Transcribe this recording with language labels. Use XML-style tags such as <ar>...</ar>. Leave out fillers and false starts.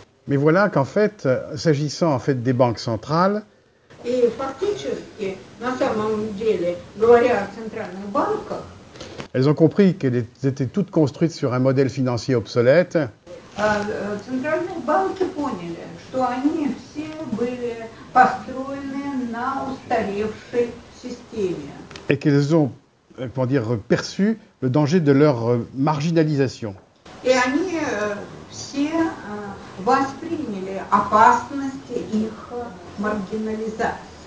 <fr>Mais voilà qu'en fait, s'agissant en fait des banques centrales,</fr> <ru>et практически, на самом деле, говоря о центральных банках,</ru> <fr>elles ont compris qu'elles étaient toutes construites sur un modèle financier obsolète.</fr> <ru>Центральные банки поняли, что они все были построены на устаревшей системе.</ru> <fr>Et qu'elles ont, comment dire, perçu le danger de leur marginalisation.</fr> <ru>Et они все восприняли опасность их маргинализации.</ru>